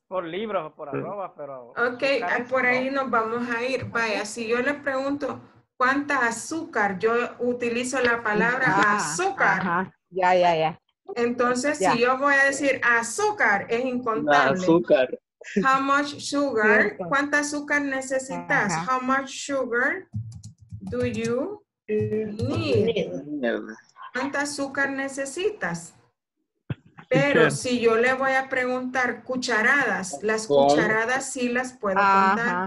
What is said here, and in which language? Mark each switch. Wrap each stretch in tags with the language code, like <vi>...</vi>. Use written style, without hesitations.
<es>Por libros o por arroba, pero. Ok, por ahí nos vamos a ir. Vaya, si yo le pregunto cuánta azúcar, yo utilizo la palabra azúcar. Ajá. Ya, ya, ya. Entonces, ya. Si yo voy a decir azúcar, es incontable. La azúcar.</es> <en>How much sugar?</en> <es>¿Cuánta azúcar necesitas?</es> <en>Uh-huh. How much sugar do you need?</en> <es>¿Cuánta azúcar necesitas? Pero si yo le voy a preguntar cucharadas, las cucharadas sí las puedo contar.</es>